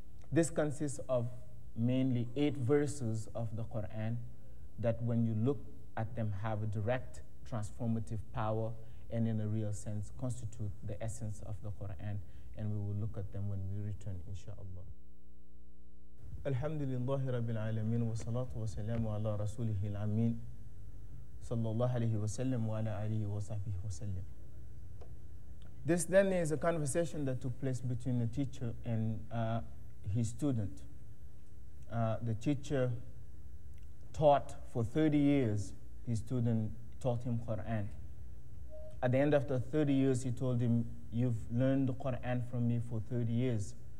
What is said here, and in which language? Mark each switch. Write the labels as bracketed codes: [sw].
[en] This consists of mainly 8 verses of the Quran that when you look at them have a direct transformative power and in a real sense constitute the essence of the Quran, and we will look at them when we return, inshallah. [ar] الحمد لله رب العالمين والصلاة والسلام على رسوله الأمين صلى الله عليه وسلم وعلى آله وصحبه وسلم. [en] This then is a conversation that took place between the teacher and his student. The teacher taught for 30 years. His student taught him Quran. At the end of the 30 years, he told him, "You've learned the Quran from me for 30 years.